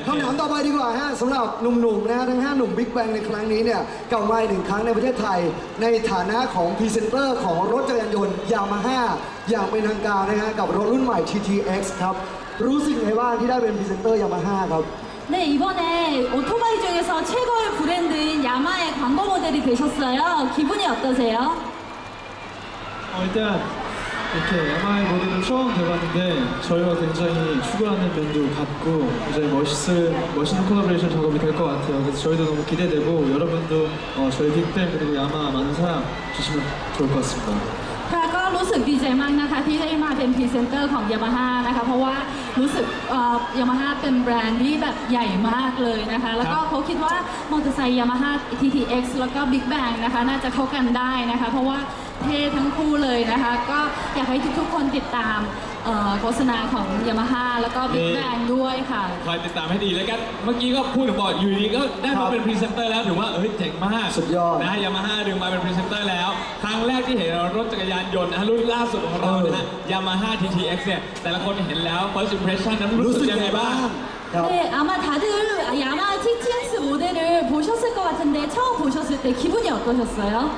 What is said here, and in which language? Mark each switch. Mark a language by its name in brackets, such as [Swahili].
[Thai] คำถามต่อไปดีกว่าฮะสำหรับหนุ่มๆ นะทั้ง5หนุ่มบิ๊กแบงในครั้งนี้เนี่ยกลับมาอีกหนึ่งครั้งในประเทศไทยในฐานะของพรีเซนเตอร์ของรถจักรยานยนต์ยามาฮ่าอย่างเป็นทางการนะฮะกับรถรุ่นใหม่ TTX ครับรู้สึกไงบ้างที่ได้เป็นพรีเซนเตอร์ยามาฮ่าครับ [Korean] 네이번에오토바이중에서최고의브랜드인야마의광고모델이되셨어요기분이어떠세요 일단이렇게 MI 모델을처음 대봤는데 저희가 굉장히 추구하는 면도 같고 굉장히 멋있는 콜라보레이션 작업이 될 것 같아요. 그래서 저희도 너무 기대되고 여러분도 저희 빅뱅 그리고 야마 많은 사랑 주시면 좋을 것 같습니다. [Thai] รู้สึกดีใจมากนะคะที่ได้มาเป็นพรีเซนเตอร์ของ Yamaha นะคะเพราะว่ารู้สึกYamaha เป็นแบรนด์ที่แบบใหญ่มากเลยนะคะแล้วก็เขาคิดว่ามอเตอร์ไซค์ Yamaha TTX แล้วก็ Big Bang นะคะน่าจะเข้ากันได้นะคะเพราะว่าเท่ทั้งคู่เลยนะคะก็อยากให้ทุกๆคนติดตามโฆษณาของ Yamaha แล้วก็ Big Bang ด้วยค่ะ คอยติดตามให้ดีแล้วกันเมื่อกี้ก็พูดบอกอยู่ดีก็ได้มาเป็นพรีเซนเตอร์แล้วถือว่าเจ๋งมาก สุดยอด นะ Yamaha ดึงมาเป็นพรีเซนเตอร์แล้วครั้งแรกที่เห็นรถจักรยานยนต์นะรุ่นล่าสุดของเรานะฮะ Yamaha TTX เนี่ยแต่ละคนเห็นแล้ว [English] First Impression [Thai] นั้นรู้สึกยังไงบ้าง [Korean] 네아마다들 Yamaha TTX 모델을보셨을것같은데처음보셨을때기분이어떠셨어요